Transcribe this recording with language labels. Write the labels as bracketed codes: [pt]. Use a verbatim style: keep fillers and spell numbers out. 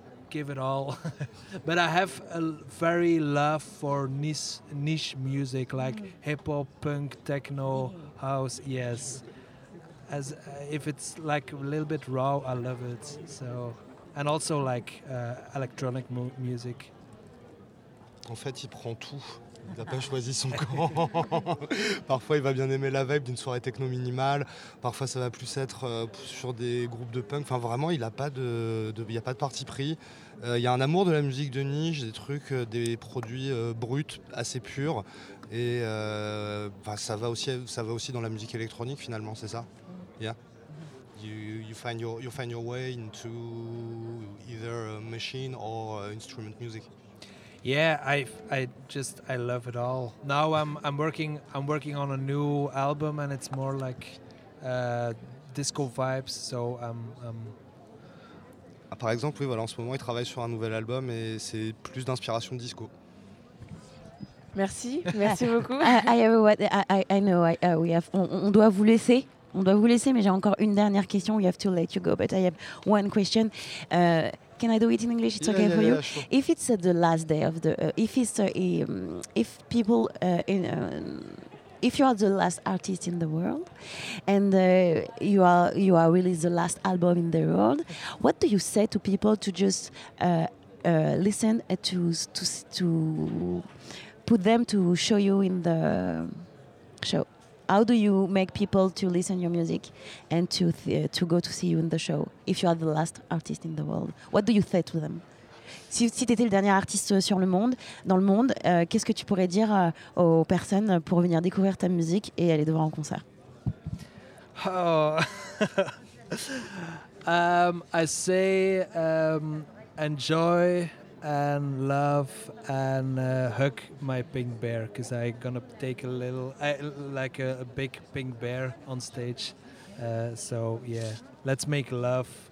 [en] Give it all, but I have a very love for niche niche music like mm. hip hop, punk, techno, mm. house. Yes, as uh, if it's like a little bit raw, I love it. So, and also like uh, electronic mu- music. [fr] En fait, il prend tout. Il n'a pas choisi son camp. Parfois, il va bien aimer la vibe d'une soirée techno minimale. Parfois, ça va plus être euh, sur des groupes de punk. Enfin, vraiment, il n'y a pas de, de, il y a pas de parti pris. Euh, il y a un amour de la musique de niche, des trucs, euh, des produits euh, bruts, assez purs. Et euh, bah, ça va aussi, ça va aussi dans la musique électronique, finalement, c'est ça. [en] Yeah. You, you, find your, you find your way into either a machine or uh, instrument music. Yeah, I, I just I love it all. Now I'm I'm working I'm working on a new album and it's more like uh, disco vibes. So um, um [fr] ah, par exemple, oui, voilà, en ce moment, il travaille sur un nouvel album et c'est plus d'inspiration disco. Merci, merci beaucoup. [en] I, I, I know I, uh, we have [fr] on, on doit vous laisser. On doit vous laisser, mais j'ai encore une dernière question. [en] We have to let you go, but I have one question. Uh, Can I do it in English? It's yeah, okay yeah, for yeah, you. Sure. If it's uh, the last day of the, uh, if it's uh, um, if people, uh, in, uh, if you are the last artist in the world, and uh, you are you are really the last album in the world, what do you say to people to just uh, uh, listen uh, to to to put them to show you in the show? How do you make people to listen your music and to th- to go to see you in the show if you are the last artist in the world? What do you say to them? [fr] Si, si tu étais le dernier artiste sur le monde, dans le monde, euh, qu'est-ce que tu pourrais dire euh, aux personnes pour venir découvrir ta musique et aller te voir en concert? Oh. [en] um, I say um, enjoy and love and uh, hug my pink bear because I gonna take a little uh, like a, a big pink bear on stage uh, so yeah let's make love